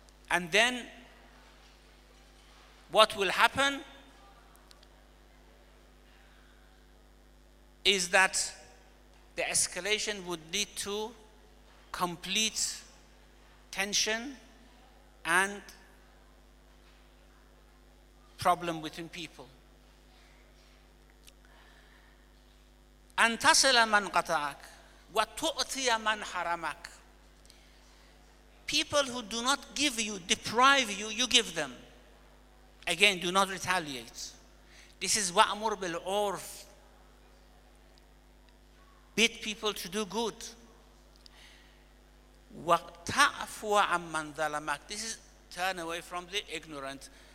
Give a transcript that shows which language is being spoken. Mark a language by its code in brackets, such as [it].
[en] And then what will happen is that the escalation would lead to complete tension and problem between people. [ar] أن تصل من قطعك وتؤتي من حرمك. [en] people who do not give you, deprive you, you give them. Again, do not retaliate. This is wa'amur bil urf. Beat people to do good. [ar] وَتَعْفُوا عَمَّنْ ذَلَمَكْ. [en] This is turn away from the ignorant.